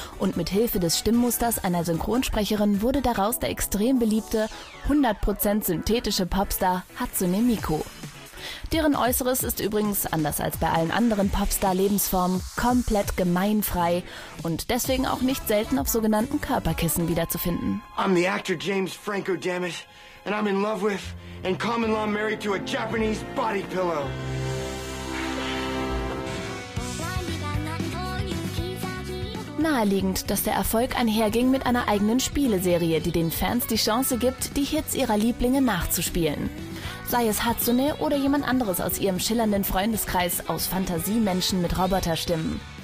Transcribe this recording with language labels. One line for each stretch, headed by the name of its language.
German: Und mit Hilfe des Stimmmusters einer Synchronsprecherin wurde daraus der extrem beliebte, 100% synthetische Popstar Hatsune Miku. Deren Äußeres ist übrigens, anders als bei allen anderen Popstar-Lebensformen, komplett gemeinfrei und deswegen auch nicht selten auf sogenannten Körperkissen wiederzufinden.
English: I'm the actor James Franco, dammit, and I'm in love with and common law married to a Japanese body pillow.
German: Naheliegend, dass der Erfolg einherging mit einer eigenen Spieleserie, die den Fans die Chance gibt, die Hits ihrer Lieblinge nachzuspielen. Sei es Hatsune oder jemand anderes aus ihrem schillernden Freundeskreis aus Fantasiemenschen mit Roboterstimmen.